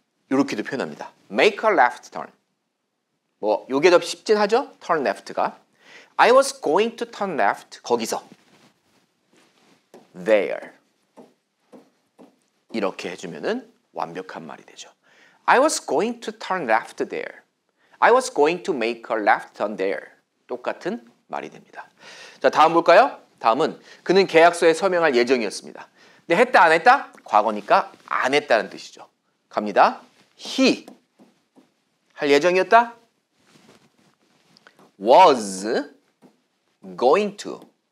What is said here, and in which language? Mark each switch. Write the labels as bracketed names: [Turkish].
[Korean] 이렇게도 표현합니다. [English] Make a left turn. [Korean] 뭐 요게 더 쉽진 하죠? [English] Turn left [Korean] 가. [English] I was going to turn left. [Korean] 거기서. [English] There. [Korean] 이렇게 해주면은 완벽한 말이 되죠. [English] I was going to turn left there. I was going to make a left turn there. [Korean] 똑같은 말이 됩니다. 자, 다음 볼까요? 다음은 그는 계약서에 서명할 예정이었습니다. 근데 했다 안 했다? 과거니까 안 했다는 뜻이죠. 갑니다. He 할 예정이었다? [English] Was going to.